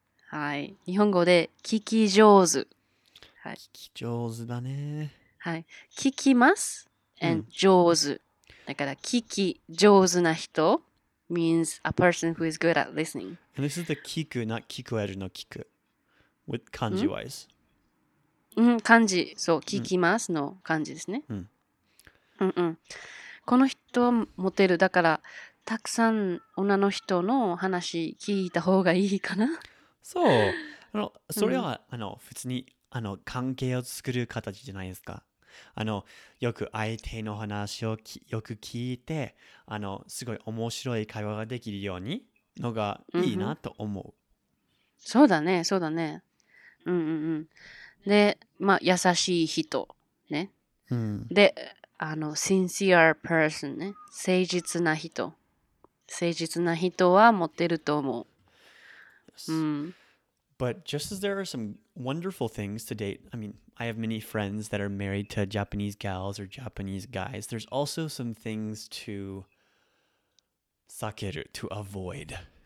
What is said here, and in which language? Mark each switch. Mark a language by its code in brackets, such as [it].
[ja] はい、日本語で聞き上手、聞き上手だね、はい、聞きます and、うん、上手だから聞き上手な人 [en] means a person who is good at listening、 and this is the 聞く not 聞こえるの聞く with 漢字 wise、 [ja] うん、漢字、そう、聞きますの漢字ですね、うん、うんうん、この人はモテる、だからたくさん女の人の話聞いた方がいいかな、そう、あのそれは、うん、あの普通にあの関係を作る形じゃないですか、あのよく相手の話をよく聞いて、あのすごい面白い会話ができるようにのがいいなと思う、うんうん、そうだね、そうだね、うんうんうん、で、まあ、優しい人ね、うん、であの [en] sincere person [ja] ね、誠実な人、誠実な人は持ってると思う、うん、 [en] But just as there are some wonderful things to date, I mean, I have many friends that are married to Japanese gals or Japanese guys. There's also some things to sakeru, to avoid.